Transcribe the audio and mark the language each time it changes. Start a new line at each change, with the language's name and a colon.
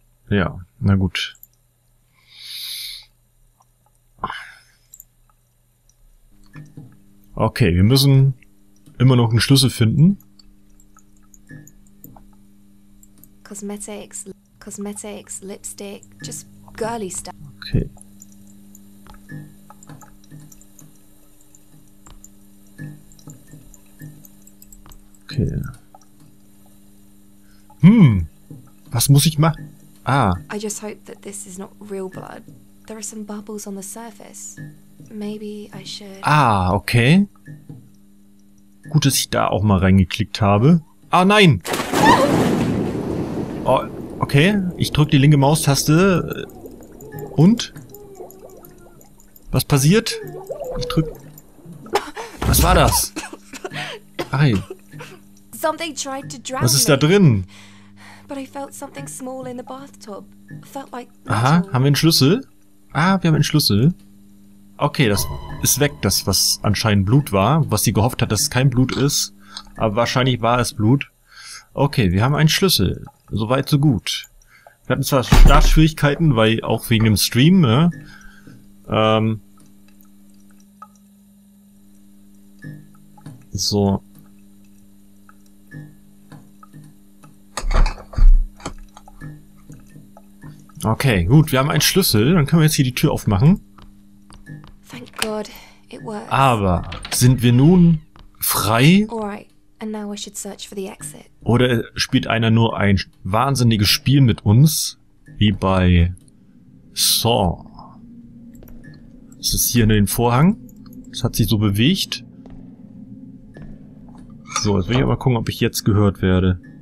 German: Ja, na gut. Okay, wir müssen immer noch einen Schlüssel finden.
English: Cosmetics, Lipstick, just girly stuff.
German: Okay. Was muss ich machen? Ah.
English: I just hope that this is not real blood. There are some bubbles on the surface. Maybe I should.
German: Ah, okay. Gut, dass ich da auch mal reingeklickt habe. Ah, nein! Oh, okay, ich drücke die linke Maustaste. Und? Was passiert? Ich drück. Was war das? Ei.
English: Something tried to drown me.
German: Was ist da drin?
English: But I felt something small in the bathtub. Felt like metal.
German: Aha, haben wir einen Schlüssel? Ah, wir haben einen Schlüssel. Okay, das ist weg, das, was anscheinend Blut war. Was sie gehofft hat, dass es kein Blut ist. Aber wahrscheinlich war es Blut. Okay, wir haben einen Schlüssel. Soweit, so gut. Wir hatten zwar Startschwierigkeiten, weil auch wegen dem Stream, ne? So. Okay, gut, wir haben einen Schlüssel, dann können wir jetzt hier die Tür aufmachen.
English: Thank God, it works.
German: Aber sind wir nun frei?
English: Alright, and now we should search for the exit.
German: Oder spielt einer nur ein wahnsinniges Spiel mit uns, wie bei Saw? Es ist hier in den Vorhang, es hat sich so bewegt. So, jetzt will ich aber gucken, ob ich jetzt gehört werde.